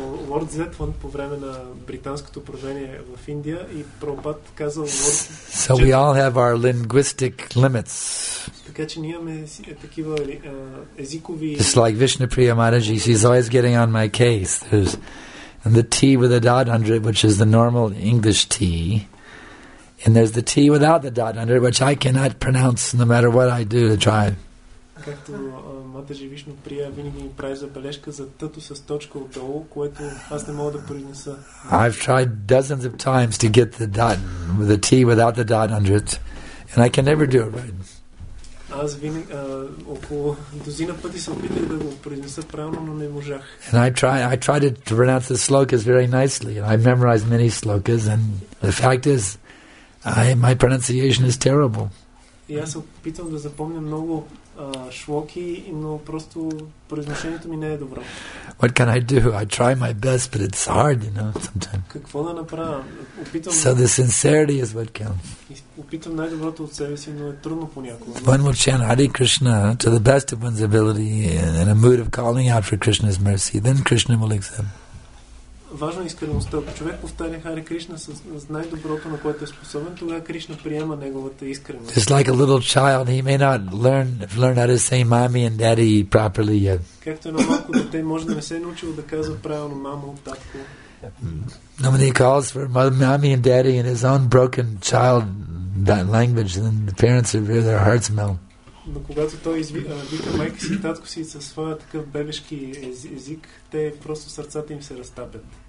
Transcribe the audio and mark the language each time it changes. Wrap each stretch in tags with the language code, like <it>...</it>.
<bg>Lord Zetland по време на британското правление в Индия и Прабхупад казал Lord.</bg> <en>So we all have our linguistic limits.</en> <bg>Така че ние имаме такива езикови.</bg> <en>It's like Vishnu Priya Maharaji. He's always getting on my case. There's, and the T with a dot under it, which is the normal English T. And there's the T without the dot under it, which I cannot pronounce no matter what I do to try.</en> <bg>Както Матаджи Вишну Прия винаги ми прави забележка за тъто с точка отдолу, което аз не мога да произнеса.</bg> <en>I've tried dozens of times to get the dot, the T without the dot under it, and I can never do it right.</en> <bg>Аз винаги около дозина пъти се опитах да го произнеса правилно, но не можах.</bg> <en>And I try to pronounce the slokas very nicely, and I memorized many slokas, and the fact is, my pronunciation is terrible.</en> <bg>И аз се опитвам да запомня много шлоки, но просто произношението ми не е добро.</bg> <en>What can I do? I try my best, but it's hard, you know, sometimes.</en> <bg>Какво да направя? Опитвам.</bg> <en>So the sincerity is what counts.</en> <bg>Опитвам най-доброто от себе си, но е трудно понякога.</bg> <en>One will chant Hare Krishna to the best of one's ability in a mood of calling out for Krishna's mercy, then Krishna will accept.</en> <bg>Важно е искреността. Ако човек повтаря Хари Кришна с най-доброто, на което е способен, тогава Кришна приема неговата искреност.</bg> <en>It's like a little child. He may not learn how to say mommy and daddy properly yet.</en> <bg>Както едно малко дете може да не се е научило да казва правилно мамо, татко.</bg> <en>No, when he calls for mommy and daddy in his own broken child that language, then the parents are their hearts melt.</en> <bg>Но когато той вика майка си и татко си със своя такъв бебешки език, те просто сърцата им се разтапят.</bg>